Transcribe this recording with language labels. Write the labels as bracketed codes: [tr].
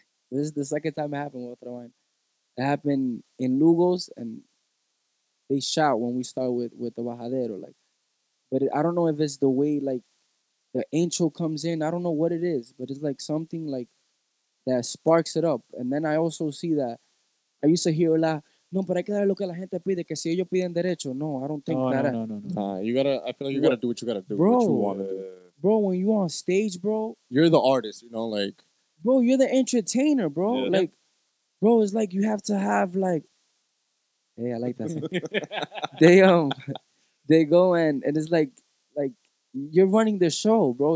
[en] This is the second time it happened with Ravana. It happened in Lugo's, and they shout when we start with the Bajadero. Like, but I don't know if it's the way, like, the intro comes in. I don't know what it is, but it's like something, like, that sparks it up. And then I also see that. I used to hear a lot, [es] no, pero hay que dar lo que la gente pide, que si ellos piden derecho. [en] No, I don't think that. No. You gotta, I feel like you gotta do what you gotta do, bro, what you wanna do. Bro, when you on stage, bro. You're the artist, you know, like. Bro, you're the entertainer, bro. Yeah, like, bro, it's like you have to have, like. Hey, I like that. they go and it's like, you're running the show, bro.